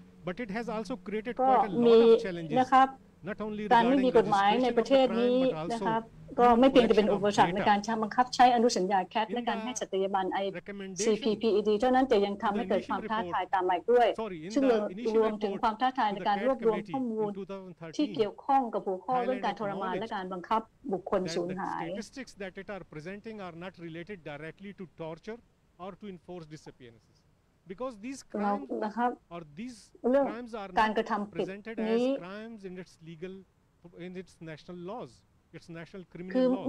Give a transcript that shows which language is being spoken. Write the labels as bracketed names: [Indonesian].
[English] But it has also created quite a lot of challenges. Not only the regulation of the crime, but [Thai] also ก็ไม่เพียงจะเป็นอุปสรรคในการบังคับใช้อนุสัญญาแคทในการให้สัตยาบัน ICPPED เท่านั้นแต่ยังทำให้เกิดความท้าทายตามมาด้วยซึ่งรวมถึงความท้าทายในการรวบรวมข้อมูลที่เกี่ยวข้องกับหัวข้อเรื่องการทรมานและการบังคับบุคคลสูญหาย [English] Statistics that it are presenting are not related directly to torture or to enforced disappearances. Because these crimes or these crimes are not presented as crimes in its legal, in its national laws, its national criminal laws.